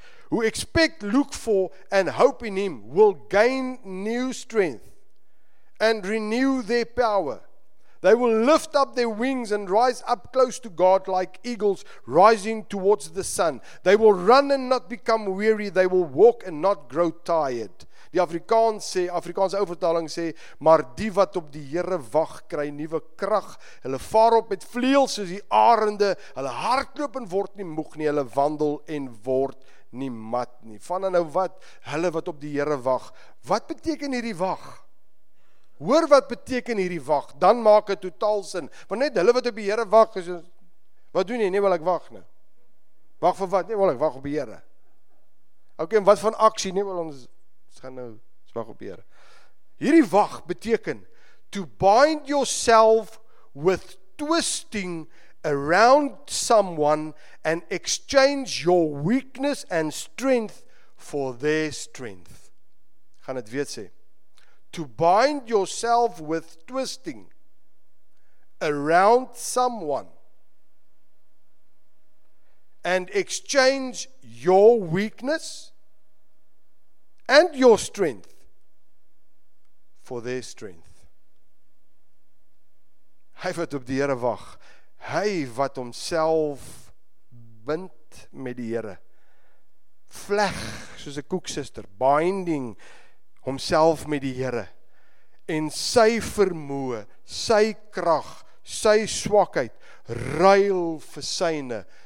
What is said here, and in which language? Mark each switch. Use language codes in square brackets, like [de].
[en] Who expect, look for, and hope in him will gain new strength and renew their power. They will lift up their wings and rise up close to God like eagles rising towards the sun. They will run and not become weary. They will walk and not grow tired. [af] Die Afrikaans sê, Afrikaanse vertaling sê, maar die wat op die Here wag kry nuwe krag. Hulle vaar op met vleuels soos die arende. Hulle hardloop en word nie moeg nie. Hulle wandel en word nie mat nie. Vanaf nou wat? Hulle wat op die Here wag. Wat beteken hierdie wag? Hoor wat beteken hierdie wag? Dan maak dit totaal sin. Want net hulle wat op die Here wag is wat doen jy? Nee, wil ek wag nou. Wag vir wat? Nee, wil ek wag op die Here. Okay, en wat van aksie? Nee, wil ons gaan nou wag op die Here. Hierdie wag beteken [en] to bind yourself with twisting around someone and exchange your weakness and strength for their strength. [af] Gaan dit weer sê. [en] To bind yourself with twisting around someone and exchange your weakness and your strength for their strength. [af] Hy wat op die Here wag, hy wat homself bind met die Here, vleg soos 'n koeksister, binding homself met die Here en sy vermoë, sy krag, sy swakheid ruil vir syne.